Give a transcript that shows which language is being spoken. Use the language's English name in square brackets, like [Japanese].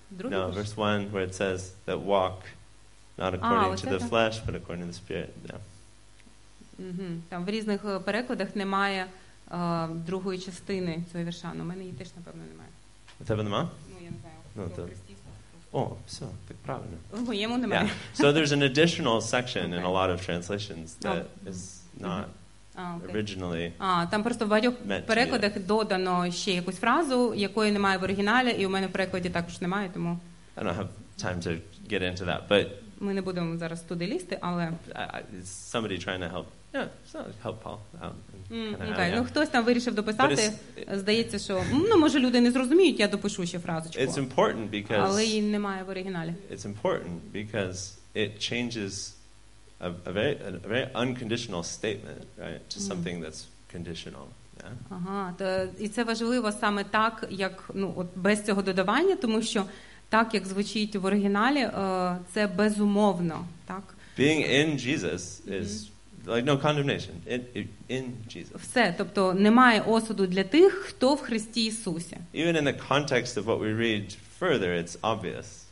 [English] No, verse one, where it says that walk not according to the flesh, but according to the Spirit. Yeah. [Ukrainian] Там в різних перекладах немає другої частини цього вірша. У мене її теж, напевно, немає. У тебе нема? Ну, я не знаю. О, все, так правильно. В моєму немає. [English] Yeah. So there's an additional section in a lot of translations that is not originally. [Ukrainian] А, там просто в багатьох перекладах додано ще якусь фразу, якої немає в оригіналі, і у мене в перекладі також немає, тому [English] I don't have time to get into that, but [Ukrainian] ми не будемо зараз туди лізти, але [English] somebody trying to help. Yeah, so help Paul out. Okay. [Ukrainian] Ну, хтось там вирішив дописати, здається, що, ну, може, люди не зрозуміють, я допишу ще фразочку. [English] It's important because [Ukrainian] але її немає в оригіналі. [English] It's important because it changes a very unconditional statement, right, to something that's conditional. Yeah. [Ukrainian] Ага, то і це важливо саме так, як, ну, от без цього додавання, тому що так, як звучить в оригіналі, це безумовно, так? [English] Being in Jesus is like no condemnation in Jesus. [Ukrainian] Все, тобто немає осуду для тих, хто в Христі Ісусі. [English] Even in the context of what we read further, it's obvious.